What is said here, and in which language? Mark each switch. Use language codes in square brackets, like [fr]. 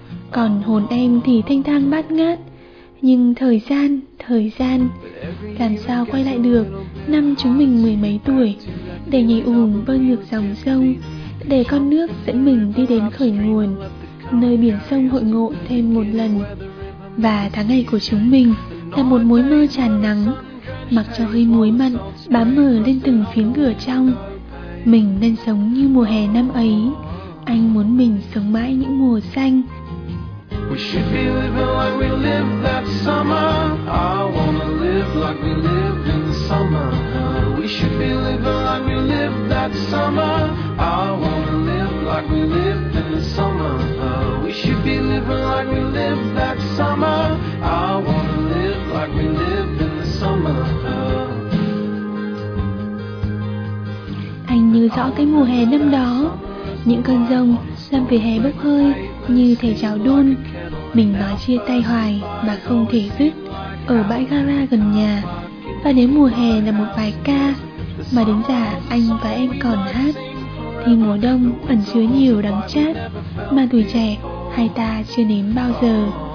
[vi] Còn hồn em thì thanh thang bát ngát, nhưng thời gian, làm sao quay lại được năm chúng mình mười mấy tuổi, để nhảy ùn bơi ngược dòng sông, để con nước dẫn mình đi đến khởi nguồn, nơi biển sông hội ngộ thêm một lần. Và tháng ngày của chúng mình là một mối mơ tràn nắng, mặc cho hơi muối mặn bám mờ lên từng phiến cửa trong. Mình nên sống như mùa hè năm ấy, anh muốn mình sống mãi những mùa xanh. [en] We should be living like we lived that summer. I wanna live like we lived in the summer. We should be living like we lived that summer. I wanna live like we lived in the summer. We should be living like we lived that summer. I wanna live like we lived in the summer. [vi] Anh nhớ rõ cái mùa hè năm đó, những cơn giông làm vỉa hè bốc hơi như thể cháo đun. Mình nói chia tay hoài mà không thể dứt, ở bãi gara gần nhà. Và nếu mùa hè là một bài ca mà đến già anh và em còn hát, thì mùa đông ẩn chứa nhiều đắng chát mà tuổi trẻ hai ta chưa nếm bao giờ.